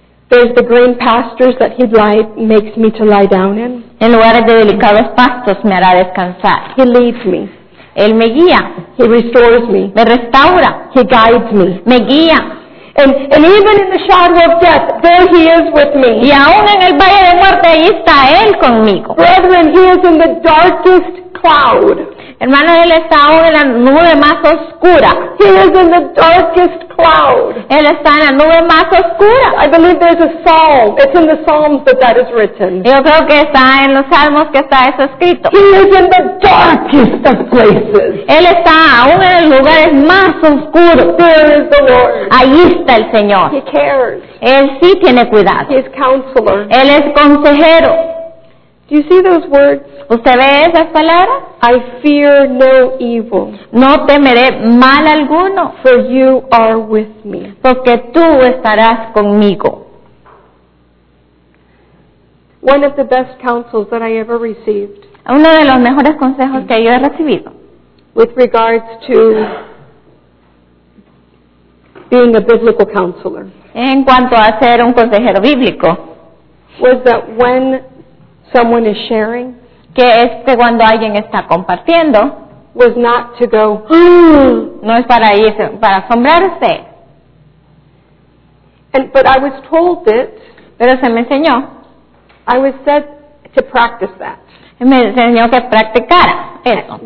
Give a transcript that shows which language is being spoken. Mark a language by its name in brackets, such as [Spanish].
[English] There's the green pastures that he makes me to lie down in. [Spanish] En lugares de delicados pastos me hará descansar. [English] He leads me. [Spanish] Él me guía. [English] He restores me. [Spanish] Me restaura. [English] He guides me. [Spanish] Me guía. [English] And even in the shadow of death, there he is with me. [Spanish] Y aún en el valle de muerte, ahí está él conmigo. [English] Brethren, he is in the darkest cloud. [Spanish] Hermano, él está aún en la nube más oscura. [English] He is in the darkest cloud. [Spanish] Él está en la nube más oscura. [English] I believe there's a psalm. It's in the Psalms that is written. [Spanish] Yo creo que está en los Salmos que está eso escrito. [English] He is in the darkest of places. [Spanish] Él está aún en los lugares más oscuros. [English] There is the Lord. [Spanish] Ahí está el Señor. [English] He cares. [Spanish] Él sí tiene cuidado. [English] He is counselor. [Spanish] Él es consejero. [English] Do you see those words? [Spanish] ¿Usted ve esas palabras? [English] I fear no evil. [Spanish] No temeré mal alguno. [English] For you are with me. [Spanish] Porque tú estarás conmigo. [English] One of the best counsels that I ever received. [Spanish] Uno de los mejores consejos que yo he recibido. [English] With regards to being a biblical counselor. [Spanish] En cuanto a ser un consejero bíblico. [English] Was that when someone is sharing, [Spanish] que es que cuando alguien está compartiendo, [English] was not to go, [Spanish] no es para irse, para asombrarse. [English] And but I was told it, [Spanish] pero se me enseñó, [English] I was said to practice that. [Spanish] Me enseñó que practicara eso.